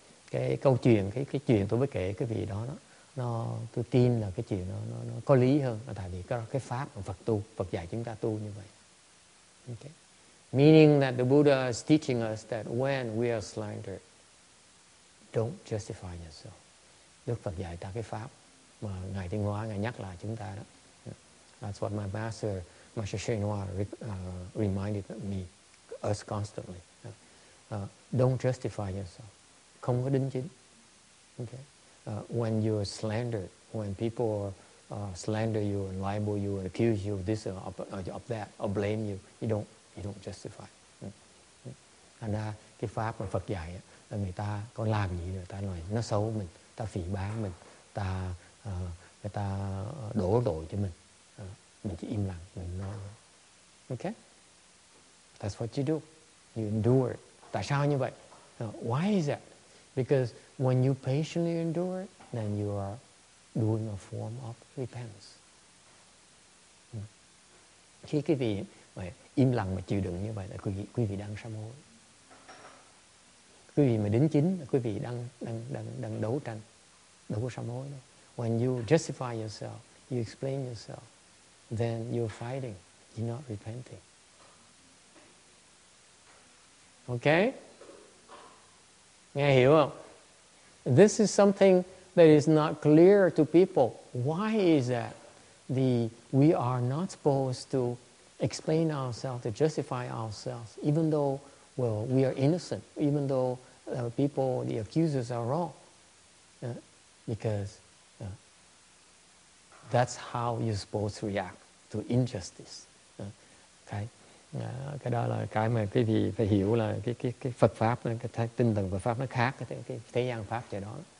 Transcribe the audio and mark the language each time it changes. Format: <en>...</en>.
<vi>Cái chuyện tôi mới kể cái vị đó, nó tôi tin là cái chuyện nó có lý hơn, tại vì cái pháp mà Phật tu, Phật dạy chúng ta tu như vậy.</vi> <en>Okay. Meaning that the Buddha is teaching us that when we are slandered, don't justify yourself.</en> <vi>Đức Phật dạy ta cái pháp mà Ngài Tinh Hoa, Ngài nhắc lại chúng ta đó.</vi> <en>That's what my master, Master Shenhua, reminded me, us constantly. Don't justify yourself.</en> <vi>Không có đính chính.</vi> <en>Okay. When you're slandered, when people slander you and libel you and accuse you of this or of that, or blame you, you don't justify.</en> <vi>Thành ra cái pháp mà Phật dạy á, là người ta có làm gì người ta nói nó xấu mình, ta phỉ báng mình, ta người ta đổ tội cho mình chỉ im lặng, mình nói.</vi> <en>Okay, that's what you do, you endure it.</en> <vi>Tại sao như vậy?</vi> <en>Why is that? Because when you patiently endure it, then you are doing a form of repentance.</en> <vi>Khi quý vị mà im lặng mà chịu đựng như vậy là quý vị đang sám hối. Quý vị mà đính chính, quý vị đang đấu tranh, đấu sám hối.</vi> <en>When you justify yourself, you explain yourself, then you're fighting, you're not repenting. Okay?</en> <vi>Nghe hiểu không?</vi> <en>This is something that is not clear to people. Why is that? We are not supposed to explain ourselves, to justify ourselves, even though, well, we are innocent, even though people, the accusers are wrong, because that's how you're supposed to react to injustice. Okay,</en> <vi>cái đó là cái mà quý vị phải hiểu là cái Phật pháp, cái tinh thần Phật pháp nó khác cái thế gian pháp vậy đó.</vi>